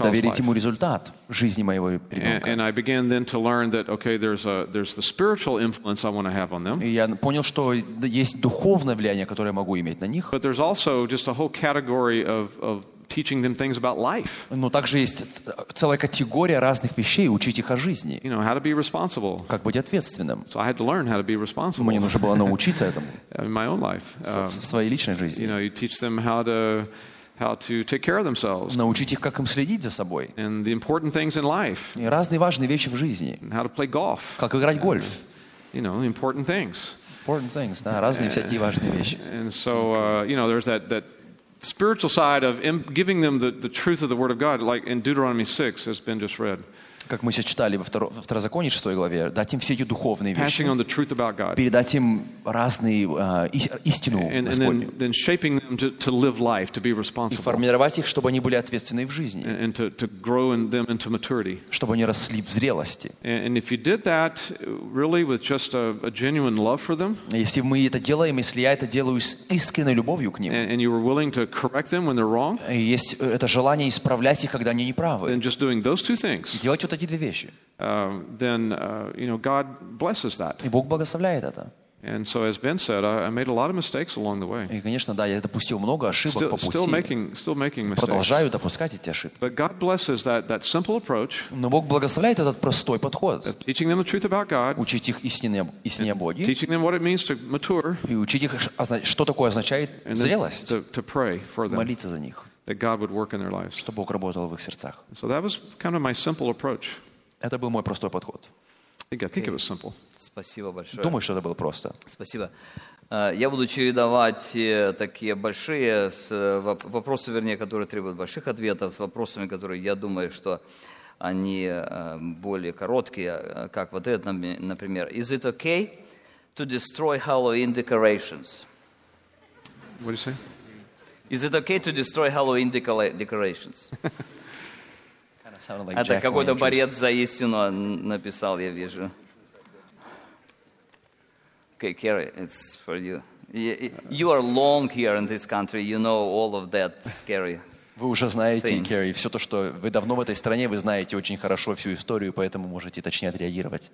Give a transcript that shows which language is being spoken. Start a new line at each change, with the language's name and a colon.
Russian: И доверить ему результат жизни моего ребенка.
English: And I began then to learn that okay, there's the spiritual influence I want to have on them.
Russian: И я понял, что есть духовное влияние, которое я могу иметь на них.
English: But there's also just a whole category of teaching them things about life.
Russian: Ну также есть целая категория разных вещей учить их о жизни.
English: You know, how to be responsible.
Russian: Как быть ответственным.
English: So I had to learn how to be responsible.
Russian: Мне нужно было научиться этому.
English: In my own life.
Russian: В своей личной жизни.
English: You know, you teach them how to take care of themselves.
Russian: Научить их, как им следить за собой.
English: And the important things in life.
Russian: И разные важные вещи в жизни.
English: And how to play golf.
Russian: Как играть в гольф.
English: You know, important things. Important things,
Russian: да, разные всякие важные вещи.
English: And so, you know, there's that spiritual side of giving them the truth of the word of God, like in Deuteronomy 6, has been just read.
Russian: Как мы сейчас читали во Второзаконии 6 главе, дать им все эти духовные вещи.
English: Passing on the truth about God.
Russian: Передать им разные истину Господню.
English: And then shaping them to live life, to be responsible.
Russian: И формировать их, чтобы они были ответственны в жизни.
English: And to grow in them into maturity.
Russian: Чтобы они росли в зрелости.
English: And if you did that really with just a genuine love for them.
Russian: Если мы это делаем, если я это делаю с искренней любовью к ним.
English: And you were willing to correct them when they're wrong.
Russian: Есть это желание исправлять их, когда они неправы.
English: Then just doing those two things.
Russian: Вот эти две вещи.
English: Then you know God blesses that.
Russian: И Бог благословляет это.
English: And so as Ben said, I made a lot of mistakes along the way.
Russian: И конечно, да, я допустил много ошибок
English: still,
Russian: по пути.
English: Still making mistakes.
Russian: Продолжаю допускать эти ошибки.
English: But God blesses that simple approach.
Russian: Но Бог благословляет этот простой подход.
English: Teaching them the truth about God.
Russian: Учить их истине о Боге.
English: Teaching them what it means to mature.
Russian: И учить их, что такое означает зрелость.
English: To pray for them.
Russian: Молиться за них.
English: That God would work in their lives.
Russian: Чтобы Бог работал в их сердцах.
English: So that was kind of my simple approach.
Russian: Это был мой простой подход.
English: I think it was simple.
Russian: Спасибо большое. Думаю, что это было просто. Спасибо. Я буду чередовать такие большие вопросы, вернее, которые требуют больших ответов, с вопросами, которые я думаю, что они более короткие, как вот этот, например.
English: Is it okay to destroy Halloween decorations? What do you say? Is it okay to destroy Halloween decorations?
Russian: Это какой-то борец за истину написал, я вижу.
English: Okay, Kerry, it's for you. You are long here in this country. You know all of that scary.
Russian: Вы уже знаете, Kerry, все то, что вы давно в этой стране, вы знаете очень хорошо всю историю, поэтому можете точнее отреагировать.